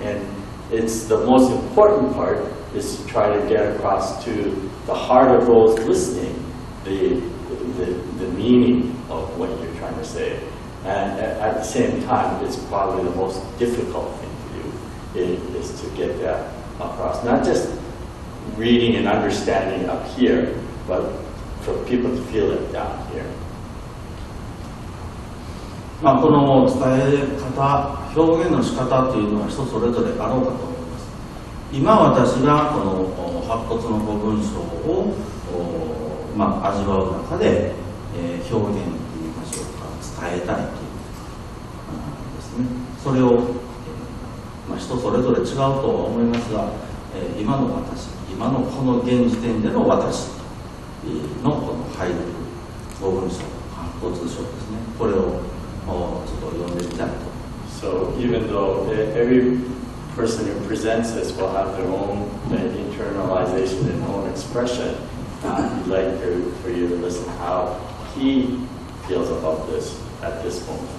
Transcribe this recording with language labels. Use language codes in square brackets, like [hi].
[en] And it's the most important part is to try to get across to the heart of those listening the meaning of what you're trying to say. And at the same time, it's probably the most difficult thing to do is to get that across. Not just reading and understanding up here, but for people to feel it down here. [ja] まあ、この伝え方、表現の仕方というのは人それぞれあろうかと思います。今私がこの白骨の語文章を、まあ、味わう中で、表現といいましょうか、伝えたいというですね。それを、まあ、人それぞれ違うとは思いますが、今の私、今のこの現時点での私のこの入る語文章、白骨章ですね。これを [en] So even though every person who presents this will have their own internalization and own expression, I'd like for you to listen how he feels about this at this moment.